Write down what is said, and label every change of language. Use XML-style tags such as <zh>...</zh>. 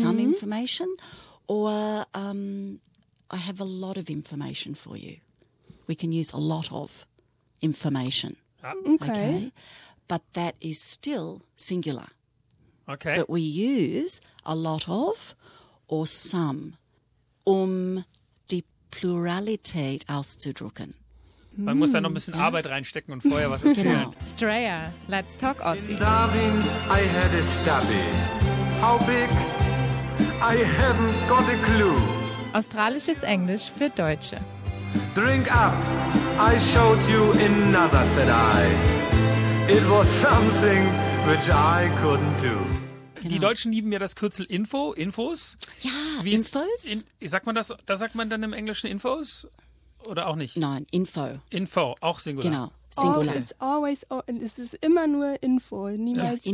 <en>some information, or I have a lot of information for you. We can use a lot of information. Okay. But that is still singular. Okay. But we use a lot of or some.</en> <de>Die Pluralität auszudrücken. Man muss da noch ein bisschen Arbeit reinstecken und vorher was erzählen. Genau.</de> <en>Straya, let's talk Aussie. In Darwin, I had a stubby. How big? I haven't got a clue.</en> <de>Australisches Englisch für Deutsche.</de> <en>Drink up, I showed you another, said I. It was something which I couldn't do.</en> <de>Genau. Die Deutschen lieben ja das Kürzel Info, Infos. Ja, wie Infos. Sagt man das, da sagt man dann im Englischen Infos oder auch nicht? Nein, Info. Info, auch Singular. Genau, Singular. Oh,</de> <en>it's always,</en> <de>es ist immer nur Info, niemals</de>